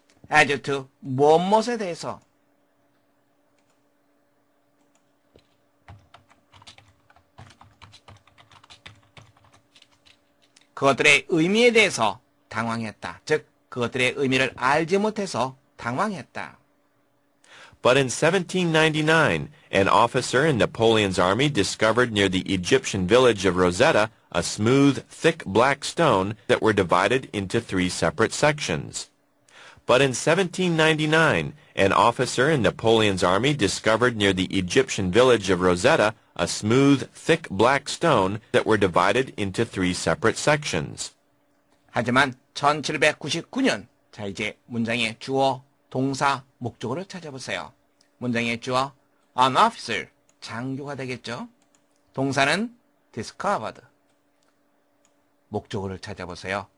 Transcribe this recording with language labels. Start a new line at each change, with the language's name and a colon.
Korean: 에듀트, 무엇에 대해서? 그것들의 의미에 대해서 당황했다. 즉, 그것들의 의미를 알지 못해서 당황했다.
English: But in 1799, an officer in Napoleon's army discovered near the Egyptian village of Rosetta a smooth, thick black stone that were divided into three separate sections. But in 1799, an officer in Napoleon's army discovered near the Egyptian village of Rosetta a smooth, thick black stone that were divided into three separate sections.
Korean: 하지만 1799년, 자 이제 문장의 주어, 동사, 목적어를 찾아보세요. 문장의 주어,
English: an officer,
Korean: 장교가 되겠죠? 동사는 discovered. 목적어를 찾아보세요.